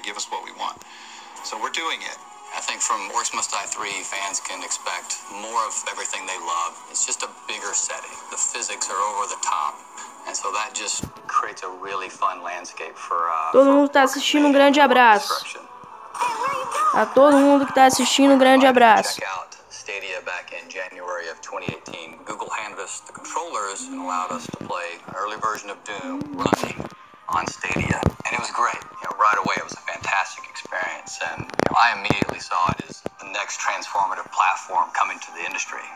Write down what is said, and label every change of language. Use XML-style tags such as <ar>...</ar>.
<en>That matters. I think from Orcs Must Die 3, fans can expect more of everything they love. It's just a bigger setting. The physics are over the top. And so that just creates a really fun landscape for...</en> <pt>Todo mundo tá assistindo, um grande abraço. A todo mundo que tá assistindo, um grande abraço.</pt> <en>Check out Stadia back in January of 2018. Google handed us the controllers and allowed us to play an early version of Doom running on Stadia. And it was great. You know, right away, it was a fantastic experience. And you know, I immediately saw it as the next transformative platform coming to the industry.</en>